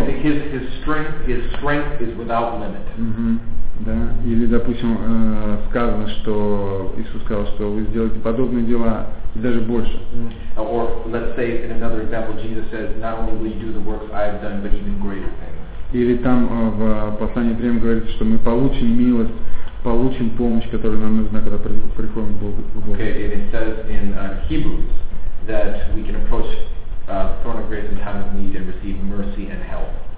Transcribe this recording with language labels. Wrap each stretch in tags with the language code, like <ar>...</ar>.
<en>His strength is without limit.</en> <ru>Uh-huh. Да. Или, допустим, сказано, что Иисус сказал, что вы сделаете подобные дела и даже больше. Mm-hmm.</ru> <en>Or let's say in another example, Jesus says, not only will you do the works I have done, but even greater things.</en> <ru>Или там в послании к Римлянам говорится, что мы получим милость, получим помощь, которая нам нужна, когда приходим к Богу.</ru> <en>Okay, and it says in Hebrews that we can approach throne of grace in time of need and receive mercy and help.</en>